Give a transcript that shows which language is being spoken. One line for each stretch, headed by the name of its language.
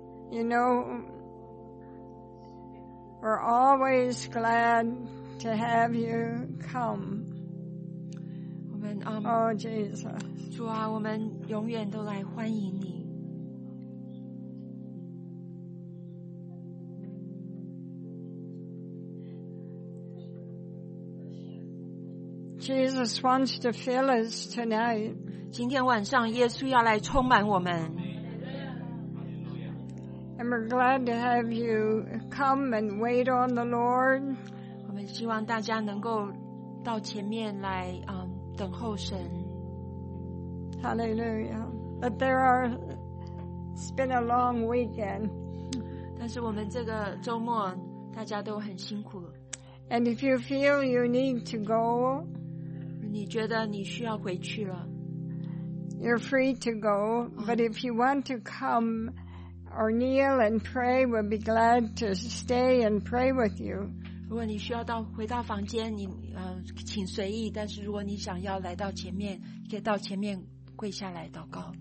English: You know, we're always glad to have you come.
Chinese: 我们啊，
English: Oh Jesus,
Chinese: 主啊，我们永远都来欢迎你。
English: Jesus wants to fill us tonight.
Chinese: 今天晚上耶稣要来充满我们。
English: And we're glad to have you come and wait on the Lord.
Chinese: 我们希望大家能够到前面来等候神。
English: Hallelujah. But there are, it's been a long weekend.
Chinese: 但是我们这个周末大家都很辛苦。
English: And if you feel you need to go,
Chinese: 你觉得你需要回去了
English: You're free to go, but if you want to come or kneel and pray, we'll be glad to stay and pray with you.
Chinese: 如果你需要到回到房间，你请随意。但是如果你想要来到前面，可以到前面跪下来祷告。